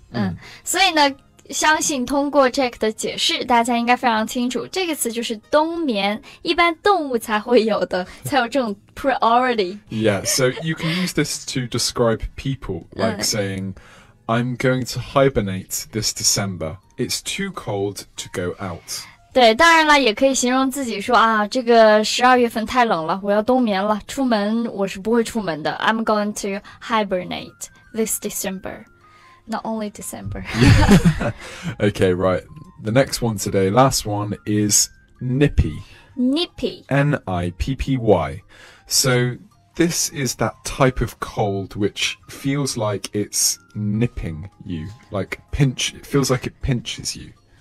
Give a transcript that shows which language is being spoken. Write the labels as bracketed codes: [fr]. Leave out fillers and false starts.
[zh] 嗯，所以呢，相信通过 Jack 的解释，大家应该非常清楚，这个词就是冬眠，一般动物才会有的，才有这种 priority。 [en] Yeah, so you can use this to describe people, like saying, "I'm going to hibernate this December. It's too cold to go out." [zh] 对，当然了，也可以形容自己说啊，这个十二月份太冷了，我要冬眠了，出门我是不会出门的。 [en] I'm going to hibernate this December, not only December. Okay, right. The next one today, last one is nippy. Nippy. N-I-P-P-Y. So this is that type of cold which feels like it's nipping you, like pinch, it feels like it pinches you.